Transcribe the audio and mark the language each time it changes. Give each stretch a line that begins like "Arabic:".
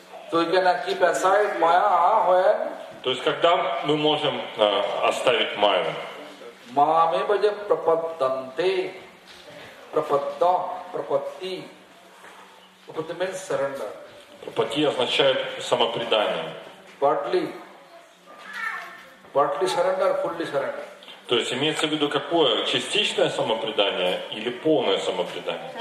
English: So you can keep aside Maya, when...
Russian: То есть когда мы можем оставить Майю?
Sanskrit: Маме бадья прападанте прападта прапати.
English: Прапати means surrender.
Russian: Прапати означает самопредание.
English: Partly surrender, fully surrender.
Russian: То есть имеется в виду какое? Частичное самопредание или полное самопредание?